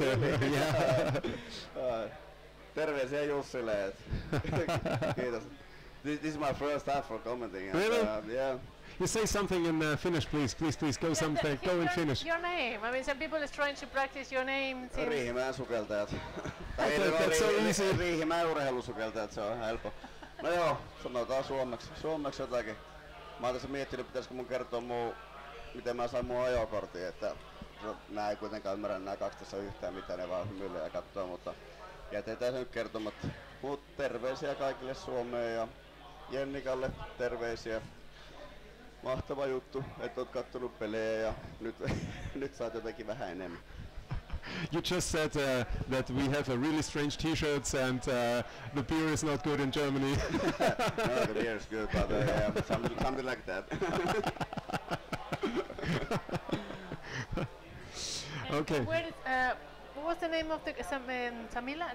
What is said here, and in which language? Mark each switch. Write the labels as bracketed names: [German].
[English] really? Yeah. [Finnish] Terveisiä Jussille. Kiitos. [English] This is my first time for commenting. Really? And, You say something in Finnish, please. Please, go something. Go in Finnish. Your name. I mean, some people are trying to practice your name. [Finnish] Riihimäen sukeltajat. [English] That's so easy. [Finnish] Riihimäen urheilusukeltajat, se on helppo. No joo, sanotaan suomeksi. Suomeksi jotakin. Mä oon tässä miettinyt, pitäisikö mun kertoa muu, miten mä sain mun ajokortin. Että nää ei kuitenkaan ymmärrä nää kaksi tässä yhtään, mitä ne vaan hymyilee ja katsoo, mutta jätetään se nyt kertomatta. Mut terveisiä kaikille Suomeen ja Jennikalle terveisiä. Mahtava juttu, että oot kattonut pelejä ja nyt nyt saat jotenkin vähän enemmän. [English] You just said that we have a really strange t-shirts and the beer is not good in Germany. No, the beer is good, but something like that. Okay. What was the name of the Samila?